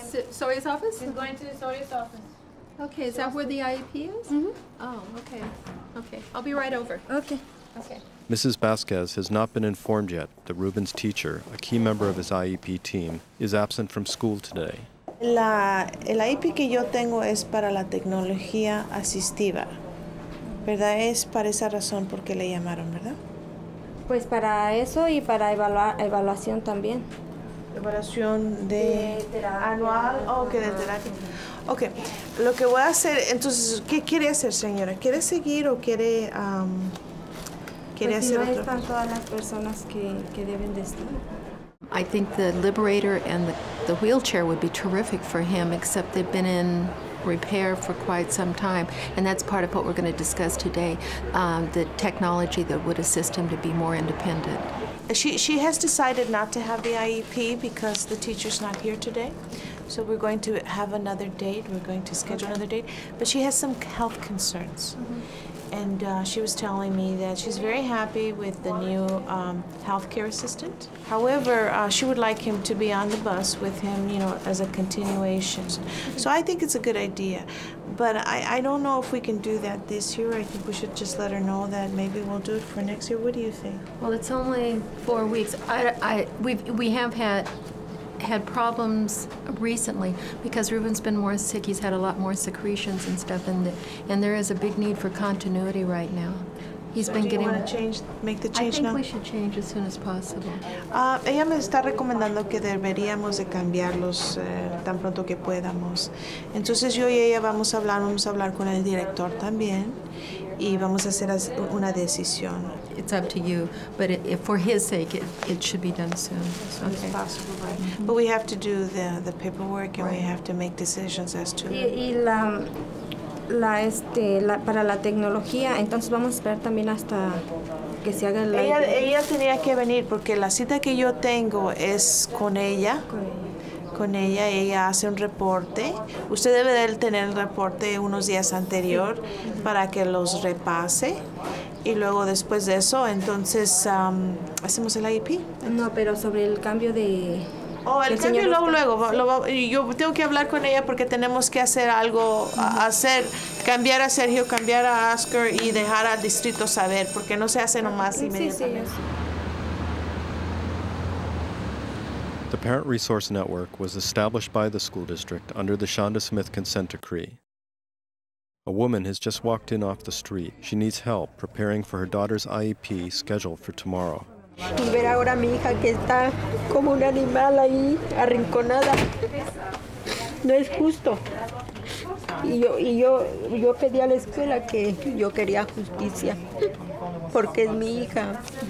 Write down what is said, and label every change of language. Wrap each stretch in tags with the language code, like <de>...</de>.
<en>Soria's office? He's going to Soria's office. Okay, is that where the IEP is? Mm-hmm. Oh, okay. Okay, I'll be right over. Okay. Mrs. Vasquez has not been informed yet that Ruben's teacher, a key member of his IEP team, is absent from school today.</en> <es>El IEP que yo tengo es para la tecnología asistiva. ¿Verdad? Es para esa razón porque le llamaron, ¿verdad? Pues para eso y para evaluación también. Evaluación de terapia. Anual. Oh, que de terapia. Okay. Lo que voy a hacer, entonces, ¿qué quiere hacer, señora? ¿Quiere seguir o quiere quiere pues hacer si no otro? Están todas las personas que deben de estar.</es> <en>I think the liberator and the wheelchair would be terrific for him, except they've been in repair for quite some time, and that's part of what we're going to discuss today, the technology that would assist him to be more independent. She has decided not to have the IEP because the teacher's not here today, so we're going to have another date, we're going to schedule another date, but she has some health concerns, and she was telling me that she's very happy with the new healthcare assistant. However, she would like him to be on the bus with him, you know, as a continuation. So I think it's a good idea. But I don't know if we can do that this year. I think we should just let her know that maybe we'll do it for next year. What do you think? Well, it's only 4 weeks. We have had problems recently because Ruben's been more sick. He's had a lot more secretions and stuff, and there is a big need for continuity right now. He's so been do getting. Do you want to make the change I think now? We should change as soon as possible.</en> <es>Ella me está recomendando que deberíamos de cambiarlos tan pronto que podamos. Entonces yo y ella vamos a hablar con el director también, y vamos a hacer una decisión.</es> <en>It's up to you, but it, for his sake, it should be done soon. So, okay. It's possible, right? Mm-hmm. But we have to do the paperwork, and right. We have to make decisions as to.</en> <es>La para la tecnología, entonces vamos a esperar también hasta que se haga el. Ella tenía que venir porque la cita que yo tengo es con ella. Con ella, ella hace un reporte. Usted debe de tener el reporte unos días anterior para que los repase. Y luego después de eso, entonces hacemos el IEP. No, pero sobre el cambio de. Oh, el cambio luego. Yo tengo que hablar con ella porque tenemos que hacer algo, hacer, cambiar a Sergio, cambiar a Oscar y dejar al distrito saber, porque no se hace nomás inmediatamente. Sí, sí.</es> <en>The Parent Resource Network was established by the school district under the Shonda Smith Consent Decree. A woman has just walked in off the street. She needs help preparing for her daughter's IEP scheduled for tomorrow.</en> <es>Y ver ahora mi hija que está como un animal ahí, arrinconada. No es justo. Y yo pedí a la escuela que yo quería justicia, porque es mi hija.</es>